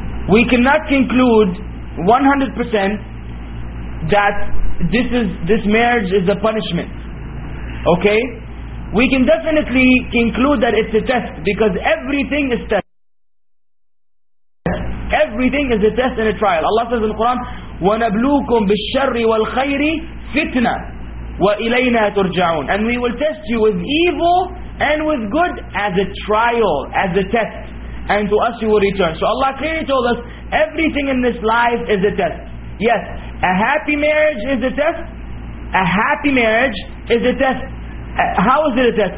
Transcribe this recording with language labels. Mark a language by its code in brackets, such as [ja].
[en] We cannot conclude 100% that this marriage is a punishment. Okay? We can definitely conclude that it's a test, because everything is test. Everything is a test and a trial. [ar] Allah says in the Quran, وَنَبْلُوكُمْ بِالشَّرِّ وَالْخَيْرِ فِتْنَةً وَإِلَيْنَا تُرْجَعُونَ. [en] And we will test you with evil and with good as a trial, as a test. And to us you will return. So Allah clearly told us, everything in this life is a test. Yes, a happy marriage is a test. A happy marriage is a test. How is it a test?